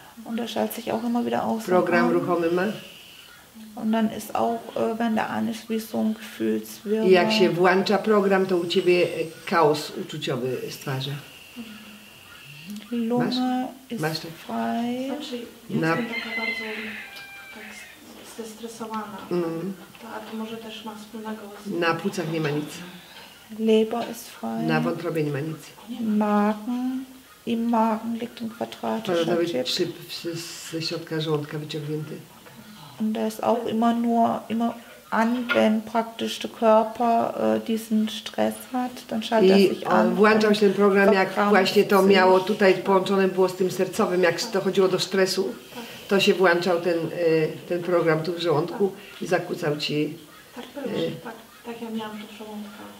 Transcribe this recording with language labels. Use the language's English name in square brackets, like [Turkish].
[German] Und er schaltet sich auch immer wieder aus. [Polish] Program ruchomy ma. [German] Und dann ist auch, wenn der an ist, wie so ein Gefühlswirbel. [Polish] I jak się włącza program, to u ciebie chaos uczuciowy stwarza. [German] Lunge ist frei. [Polish] Znaczy, jestem taka bardzo tak zestresowana. A to może też ma wspólnego z... Na płucach nie ma nic. [German] Leber ist frei. [Polish] Na wątrobie nie ma nic. [German] Magen. Im Magen liegt ein quadratischer Chip. [Polish] Ze środka żołądka wyciągnięty. [German] Und der ist auch immer an, wenn praktisch der Körper diesen Stress hat, dann schaltet er sich an. [Polish] I włączał się ten program, jak właśnie to miało tutaj połączone było z tym sercowym, jak to chodziło do stresu, to się włączał ten program tu w żołądku i zakłócał ci... Tak, ja miałam tu w żołądku.